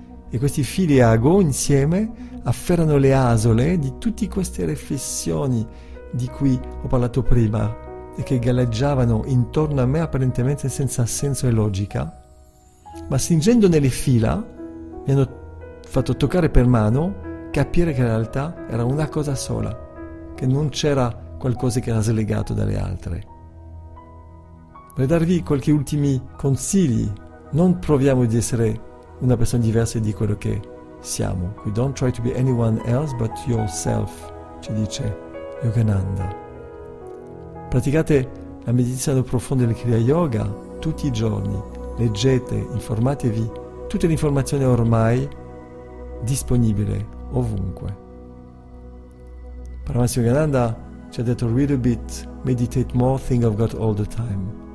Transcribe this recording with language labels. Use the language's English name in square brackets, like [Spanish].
[Italian] E questi fili ago insieme afferrano le asole di tutte queste riflessioni di cui ho parlato prima e che galleggiavano intorno a me apparentemente senza senso e logica, ma stringendo nelle fila mi hanno fatto toccare per mano, capire che in realtà era una cosa sola, che non c'era qualcosa che era slegato dalle altre. Per darvi qualche ultimi consigli, non proviamo di essere una persona diversa di quello che siamo. [English] We don't try to be anyone else but yourself, [Italian] ci dice Yogananda. Praticate la meditazione profonda del Kriya Yoga tutti i giorni, leggete, informatevi tutte le informazioni ormai disponibili ovunque. Paramahansa Yogananda ci ha detto: [English] read a bit, meditate more, think of God all the time.